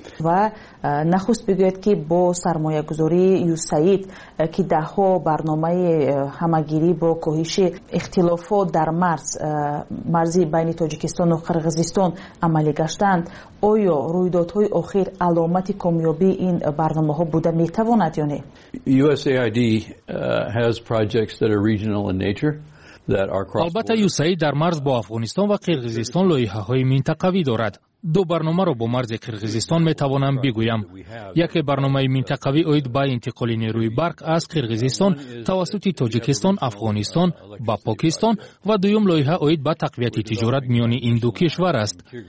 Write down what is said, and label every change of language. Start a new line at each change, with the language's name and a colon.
Persian: و نخست بگوید که با سرمایه گذاری یوسایت که ده ها برنامه همگیری با کاهش اختلافات در مرزی بین تاجیکستان و قرغیزستان عملی گشتند، آیا رویدادهای آخر علامت کامیابی این برنامه ها بوده میتواند یا نه؟
English: USAID has projects that are regional in nature.
Persian: البته یوسایت در مرز با افغانستان و قرغیزستان لایحه های منطقوی دارد. دو برنامه را با مرز قرغیزستان می توانم بگویم. یک برنامه منطقوی اید با انتقال نیروی برق از قرغیزستان توسط تاجیکستان، افغانستان با پاکستان و دویم لایحه اید با تقویت تجارت میان این دو کشور است.